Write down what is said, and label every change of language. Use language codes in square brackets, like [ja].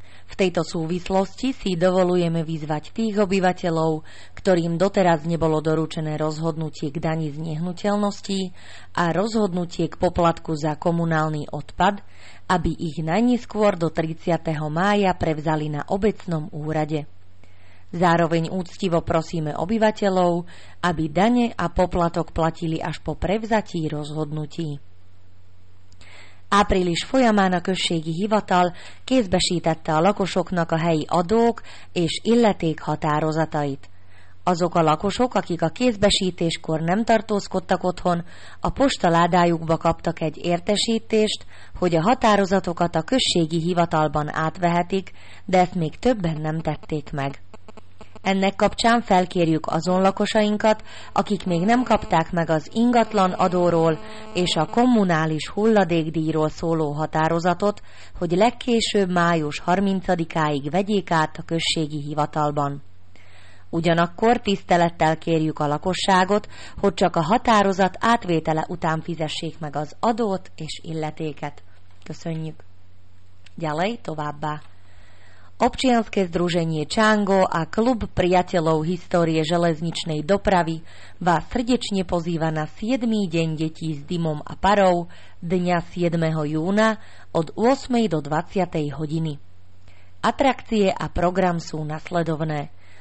[sk] V tejto súvislosti si dovolujeme vyzvať tých obyvateľov, ktorým doteraz nebolo doručené rozhodnutie k dani z nehnuteľností a rozhodnutie k poplatku za komunálny odpad, aby ich najneskôr do 30. mája prevzali na obecnom úrade. Zároveň úctivo prosíme obyvateľov, aby dane a poplatok platili až po prevzatí rozhodnutí. [hu] Április folyamán a községi hivatal kézbesítette a lakosoknak a helyi adók és illeték határozatait. Azok a lakosok, akik a kézbesítéskor nem tartózkodtak otthon, a postaládájukba kaptak egy értesítést, hogy a határozatokat a községi hivatalban átvehetik, de ezt még többen nem tették meg. Ennek kapcsán felkérjük azon lakosainkat, akik még nem kapták meg az ingatlan adóról és a kommunális hulladékdíjról szóló határozatot, hogy legkésőbb május 30-áig vegyék át a községi hivatalban. Ugyanakkor tisztelettel kérjük a lakosságot, hogy csak a határozat átvétele után fizessék meg az adót és illetéket. Köszönjük! Gyalej továbbá! [sk] Občianske združenie Čango a Klub priateľov histórie železničnej dopravy vás srdečne pozýva na 7. deň detí s dymom a parou dňa 7. júna od 8. do 20. hodiny. Atrakcie a program sú nasledovné.